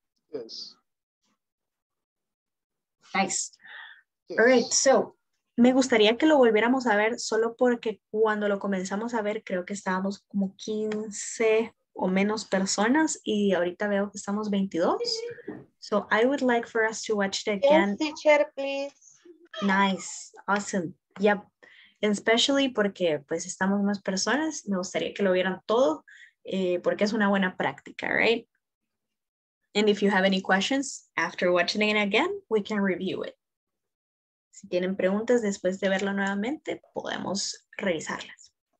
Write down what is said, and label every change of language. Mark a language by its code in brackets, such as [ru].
[en] Yes. Nice. All right, so, [es] me gustaría que lo volviéramos a ver solo porque cuando lo comenzamos a ver creo que estábamos como 15 o menos personas y ahorita veo que estamos 22. [en] So, I would like for us to watch it again. Yes, teacher, please. Nice, awesome. Yep, especially [es] porque pues estamos más personas, me gustaría que lo vieran todo porque es una buena práctica, right? [en] And if you have any questions after watching it again, we can review it. [es] Si tienen preguntas después de verlo nuevamente, podemos revisarlas.